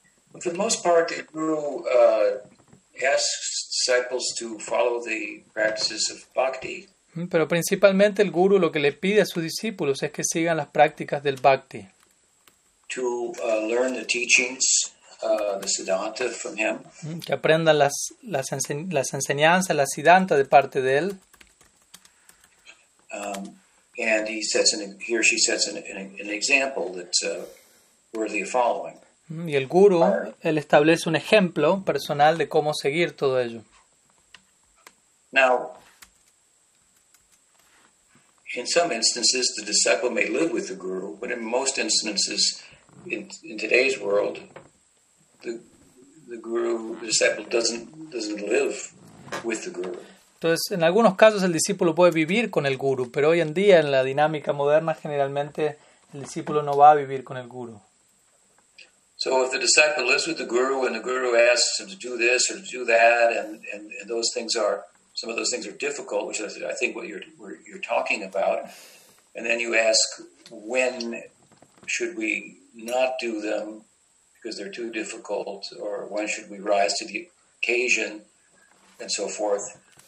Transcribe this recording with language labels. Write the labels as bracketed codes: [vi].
[en] But for the most part, the guru asks disciples to follow the practices of bhakti. [es] Pero principalmente el guru lo que le pide a sus discípulos es que sigan las prácticas del bhakti. [en] To learn the teachings, the Siddhanta from him. [es] Que aprendan las enseñanzas, la Siddhanta de parte de él. [en] And he or she sets an example that's worthy of following. [es] Y el guru, él establece un ejemplo personal de cómo seguir todo ello. [en] Now, in some instances, the disciple may live with the guru, but in most instances, in today's world, the disciple doesn't live with the guru. [es] Entonces, en algunos casos el discípulo puede vivir con el guru, pero hoy en día, en la dinámica moderna, generalmente el discípulo no va a vivir con el guru. [en] So if the disciple lives with the guru and the guru asks him to do this or to do that, and those things are, some of those things are difficult, which is, I think, what you're talking about, and then you ask, when should we not do them because they're too difficult, or when should we rise to the occasion, and so forth.